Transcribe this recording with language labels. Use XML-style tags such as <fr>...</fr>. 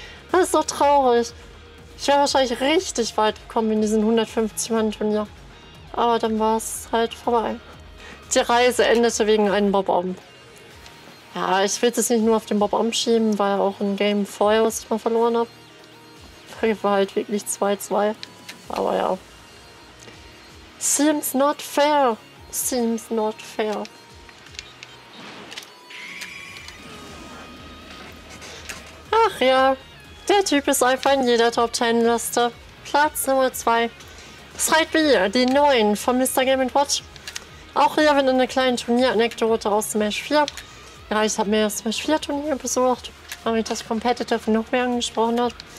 <de>Das ist so traurig. Ich wäre wahrscheinlich richtig weit gekommen in diesen 150-Mann-Turnier. Aber dann war es halt vorbei. Die Reise endete wegen einem Mob-Omb. Ja, ich will es nicht nur auf den Bob-Omb schieben, weil auch ein Game vorher, was ich mal verloren habe. Ich war halt wirklich 2-2. Aber ja.</de> <en>Seems not fair. Seems not fair.</en> <de>Ach ja, der Typ ist einfach in jeder Top 10 Liste. Platz Nummer 2. Side B, die 9 von Mr. Game & Watch. Auch hier wird eine kleine Turnier-Anekdote aus Smash 4. Ja, ich habe mir das Smash 4 Turnier besucht, weil mich das Competitive noch mehr angesprochen hat.</de>